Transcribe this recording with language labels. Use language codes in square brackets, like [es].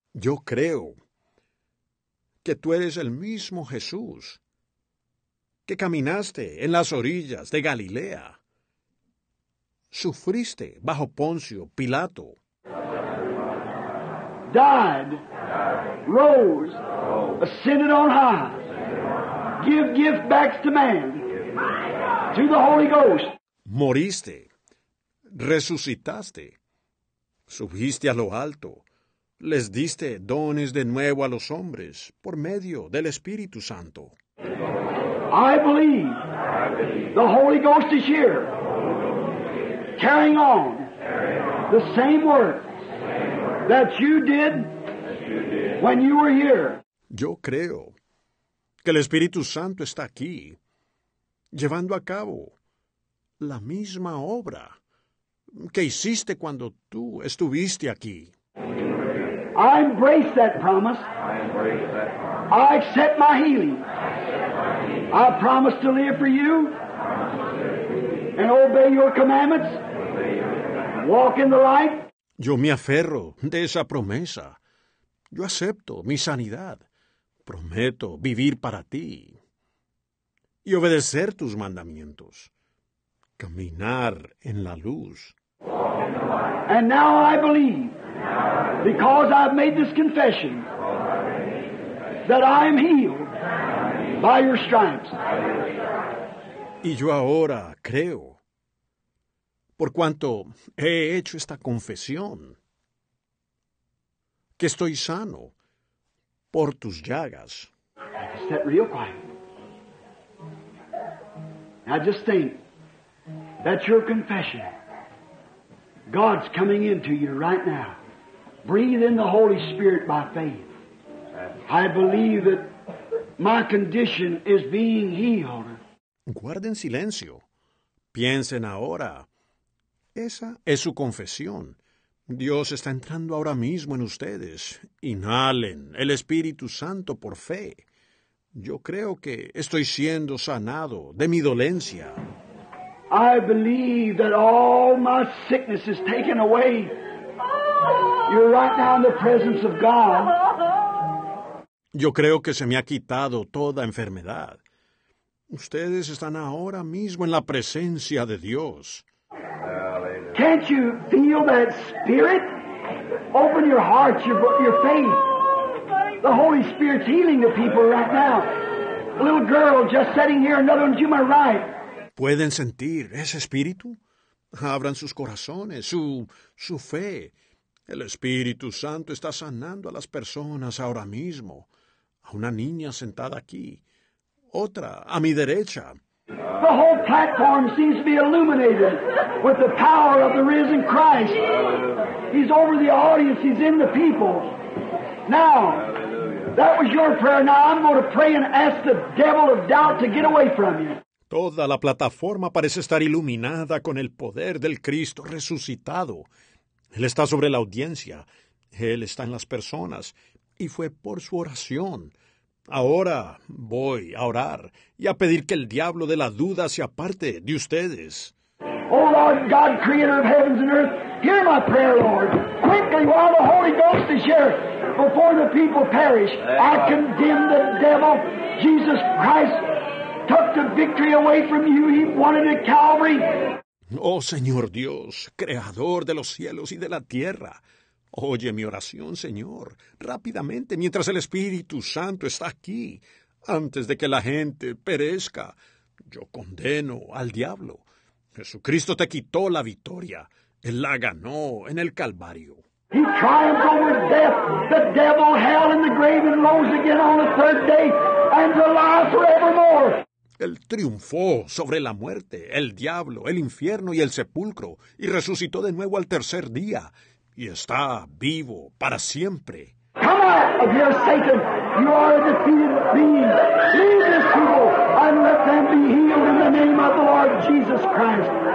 [es] Yo creo que tú eres el mismo Jesús que caminaste en las orillas de Galilea, sufriste bajo Poncio Pilato, [en] died, rose, ascended on high, give gift back to man, to the Holy Ghost. [es] Moriste, resucitaste, subiste a lo alto, les diste dones de nuevo a los hombres por medio del Espíritu Santo. [en] I believe the Holy Ghost is here, carrying on the same work that you did when you were here. [es] Yo creo que el Espíritu Santo está aquí, llevando a cabo la misma obra que hiciste cuando tú estuviste aquí. [en] I embrace that promise. I accept my healing. I promise to live for you and obey your commandments. Walk in the light. [es] Yo me aferro de esa promesa. Yo acepto mi sanidad. Prometo vivir para ti y obedecer tus mandamientos. Caminar en la luz. [en] And now I believe, because I've made this confession, that I am healed by your stripes. [es] Y yo ahora creo, por cuanto he hecho esta confesión, que estoy sano por tus llagas. [en] Sit real quiet. Now just think, that's your confession. God's coming into you right now. Breathe in the Holy Spirit by faith. I believe that my condition is being healed. [es] Guarden silencio. Piensen ahora. Esa es su confesión. Dios está entrando ahora mismo en ustedes. Inhalen el Espíritu Santo por fe. Yo creo que estoy siendo sanado de mi dolencia. [en] I believe that all my sickness is taken away. You're right now in the presence of God. [es] Yo creo que se me ha quitado toda enfermedad. Ustedes están ahora mismo en la presencia de Dios. [en] Can't you feel that Spirit? Open your heart, your faith. The Holy Spirit's healing the people right now. A little girl just sitting here, another one to my right. [es] ¿Pueden sentir ese Espíritu? Abran sus corazones, su fe. El Espíritu Santo está sanando a las personas ahora mismo. A una niña sentada aquí. Otra a mi derecha. [en] The whole platform seems to be illuminated with the power of the risen Christ. He's over the audience. He's in the people. Now, that was your prayer. Now I'm going to pray and ask the devil of doubt to get away from you. [es] Toda la plataforma parece estar iluminada con el poder del Cristo resucitado. Él está sobre la audiencia. Él está en las personas. Y fue por su oración. Ahora voy a orar y a pedir que el diablo de la duda se aparte de ustedes. [en] Oh, Lord God, creator of heavens and earth, hear my prayer, Lord. Quickly, while the Holy Ghost is here, before the people perish, I condemn the devil. Jesus Christ took the victory away from you. He won it at Calvary. [es] Oh, Señor Dios, creador de los cielos y de la tierra, oye mi oración, Señor, rápidamente, mientras el Espíritu Santo está aquí, antes de que la gente perezca. Yo condeno al diablo. Jesucristo te quitó la victoria. Él la ganó en el Calvario. [en] He triumphed over death, the devil, hell, and the grave, and rose again on the third day, and to life forevermore. [es] Él triunfó sobre la muerte, el diablo, el infierno y el sepulcro, y resucitó de nuevo al tercer día, y está vivo para siempre. [en] Come out of here, Satan. You are a defeated being. Leave this people and let them be healed in the name of the Lord Jesus Christ.